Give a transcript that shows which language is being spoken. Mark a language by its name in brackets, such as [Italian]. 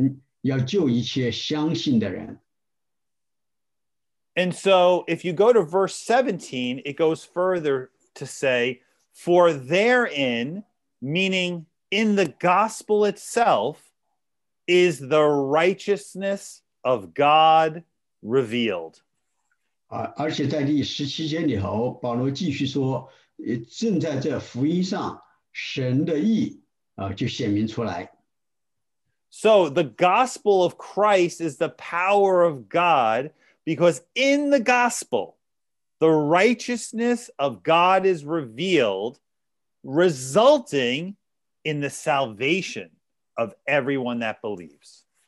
[Chinese] 是，这是神的大能，要救一切相信的人。 [English] And so if you go to verse 17, it goes further to say, for therein, meaning in the gospel itself, is the righteousness of God revealed. [Chinese] 而且在第17节里头，保罗继续说，正在这福音上，神的义就显明出来。 [English] So the gospel of Christ is the power of God, because in the gospel, the righteousness of God is revealed, resulting in the salvation of everyone that believes.